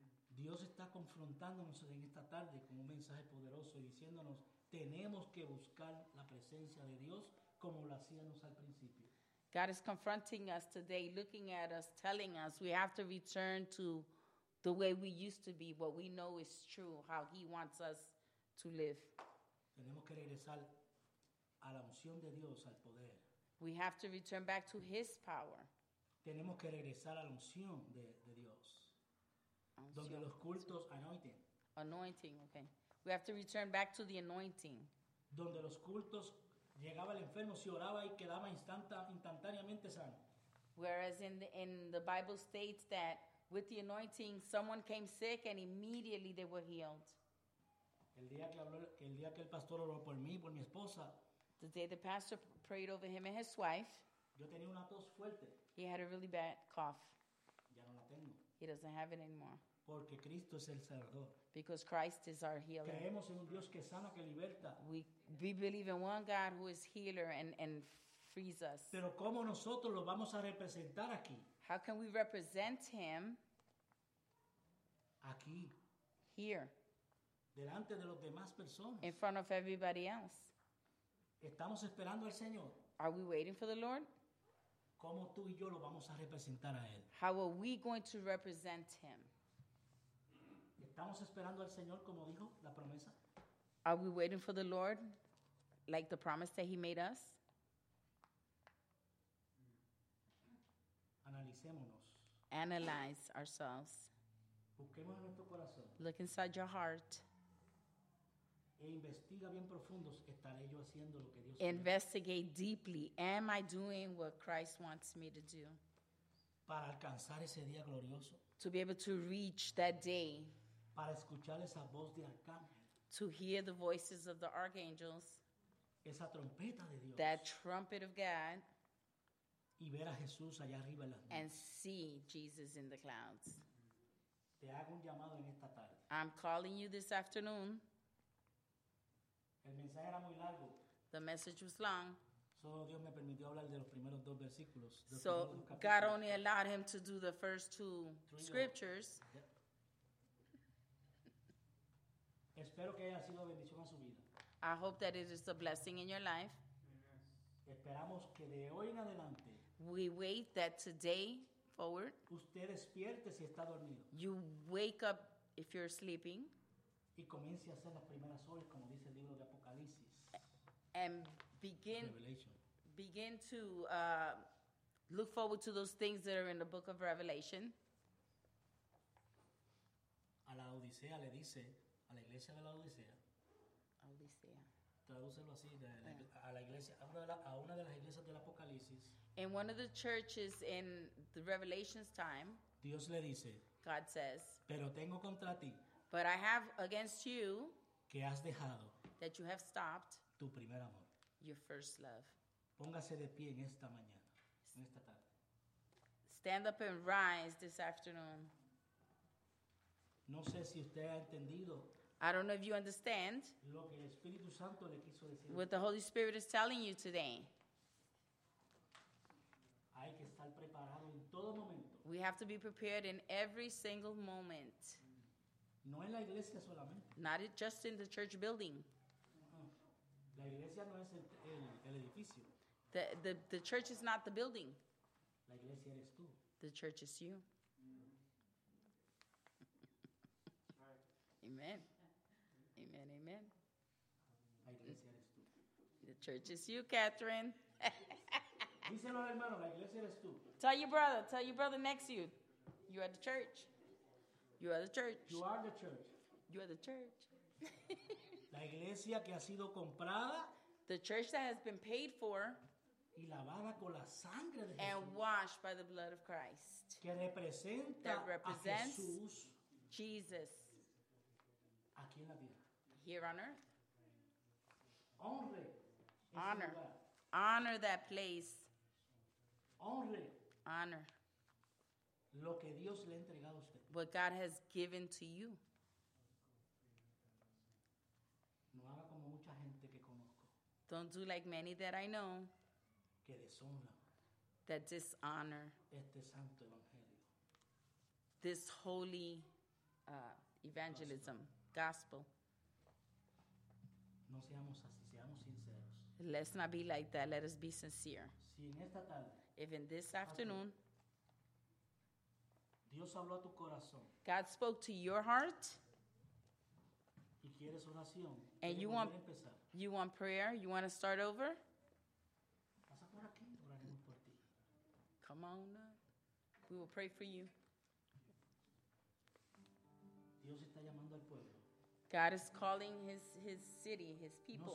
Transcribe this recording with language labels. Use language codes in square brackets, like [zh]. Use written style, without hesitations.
[es] Dios está confrontándonos en esta tarde con un mensaje poderoso y diciéndonos, tenemos que buscar la presencia de Dios como lo hacíamos al principio. [en] God is confronting us today, looking at us, telling us we have to return to the way we used to be, what we know is true, how he wants us to live. [es] Tenemos que regresar a la unción de Dios, al poder. [en] We have to return back to his power. [es] Tenemos que regresar a la unción de Dios. Donde los cultos anointing. [en] Anointing, okay. We have to return back to the anointing. [es] Donde los cultos llegaba el enfermo, se oraba y quedaba instantáneamente sano. [en] Whereas in the Bible states that with the anointing, someone came sick and immediately they were healed. [es] El día que el pastor oró por mí, por mi esposa. [en] The day the pastor prayed over him and his wife. [es] Yo tenía una tos fuerte. [en] He had a really bad cough. [es] Ya no la tengo. [en] He doesn't have it anymore. [es] Porque Cristo es el Salvador. [en] Because Christ is our healer. [es] Creemos en un Dios que sana, que liberta. [en] We believe in one God who is healer and frees us. [es] Pero ¿cómo nosotros lo vamos a representar aquí? [en] How can we represent him? [es] Aquí. [en] Here. [es] Delante de los demás personas. [en] In front of everybody else. [es] Estamos esperando al Señor. [en] Are we waiting for the Lord? [es] ¿Cómo tú y yo lo vamos a representar a él? [en] How are we going to represent him? [es] ¿Estamos esperando al Señor como dijo la promesa? [en] Are we waiting for the Lord like the promise that he made us? [es] Analicémonos. [en] Analyze ourselves. [es] Busquemos en nuestro corazón. [en] Look inside your heart. [es] E investiga bien profundo, ¿estaré yo haciendo lo que Dios quiere? [en] Investigate deeply. Am I doing what Christ wants me to do? [es] Para alcanzar ese día glorioso. [en] To be able to reach that day. [es] Para escuchar esa voz de arcángel. [en] To hear the voices of the archangels. [es] Esa trompeta de Dios. [en] That trumpet of God. [es] Y ver a Jesús allá arriba en las nubes. [en] And see Jesus in the clouds. [es] Te hago un llamado en esta tarde. [en] I'm calling you this afternoon. [es] El mensaje era muy largo. [en] The message was long. [es] Solo Dios me permitió hablar de los primeros dos versículos. [en] So God only allowed him to do the first two scriptures. [es] Espero que haya sido bendición a su vida. [en] I hope that it is a blessing in your life. [es] Esperamos que de hoy en adelante. [en] We wait that today forward. [es] Usted despierte si está dormido. [en] You wake up if you're sleeping. [es] Y comience a hacer las primeras obras, como dice el libro de Apocalipsis. [en] And begin Revelation. Begin to look forward to those things that are in the book of Revelation. [es] A la Odisea le dice, a la iglesia de la Odisea. Odisea. Tradúcelo así, a la iglesia, a una de las iglesias del Apocalipsis. [en] In one of the churches in the Revelation's time. [es] Dios le dice. [en] God says. [es] Pero tengo contra ti. [en] But I have against you [es] que has dejado [en] that you have stopped [es] tu primer amor. [en] Your first love. [es] Póngase de pie en esta mañana, en esta tarde. [en] Stand up and rise this afternoon. [es] No sé si usted ha entendido. [en] I don't know if you understand [es] lo que el Espíritu Santo le quiso decir. [en] What the Holy Spirit is telling you today. [es] Hay que estar preparado en todo momento. [en] We have to be prepared in every single moment. [es] No en la iglesia solamente. [en] Not just in the church building. [es] La iglesia no es el edificio. [en] The church is not the building. [es] La iglesia eres tú. [en] The church is you. Mm-hmm. Amen. Amen, amen. [es] La iglesia eres tú. [en] The church is you, Catherine. [es] Díselo al hermano, la iglesia eres tú. [en] Tell your brother next to you. You are the church. You are the church. You are the church. You are the church. [es] La iglesia que ha sido comprada. [en] The church that has been paid for. [es] Y lavada con la sangre de Jesús. [en] And washed by the blood of Christ. [es] Que representa a Jesús. [en] That represents Jesus. [es] Aquí en la tierra. [en] Here on earth. [es] Honre. [en] Honor. Honor that place. [es] Honre. [en] Honor. [es] Lo que Dios le ha entregado a usted. [en] What God has given to you. [es] No haga como mucha gente que conozco. [en] Don't do like many that I know. [es] Que deshonra. [en] That dishonor. [es] Este santo evangelio. [en] This holy evangelism. Gospel. [es] No seamos así, seamos sinceros. [en] Let's not be like that. Let us be sincere. [es] Si en esta tarde, [en] if in this afternoon, [es] Dios habló a tu corazón, [en] God spoke to your heart, [es] y quieres oración, [en] and you want [es] empezar. [en] You want prayer, you want to start over, [es] pasa por aquí, oraremos por ti. [en] Come on up. We will pray for you. [es] Dios está llamando al pueblo. [en] God is calling his city, his people.